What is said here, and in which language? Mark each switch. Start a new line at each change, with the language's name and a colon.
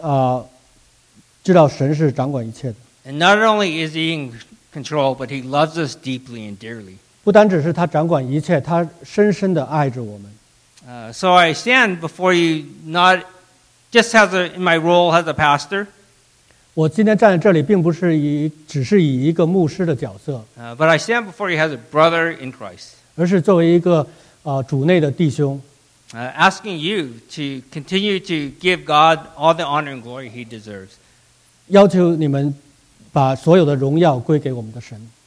Chinese: 但是作为一个主里的基督徒,我们知道神是掌管一切的。
English: And not only is he in control, but he loves us deeply and dearly.
Chinese: 不单只是他掌管一切,他深深地爱着我们。
English: So I stand before you not just as in my role as a pastor.
Chinese: 我今天站在这里并不是只是以一个牧师的角色。
English: But I stand before you as a brother in Christ.
Chinese: 而是作为一个主内的弟兄。
English: Asking you to continue to give God all the honor and glory he deserves.
Chinese: 要求你们把所有的荣耀归给我们的神。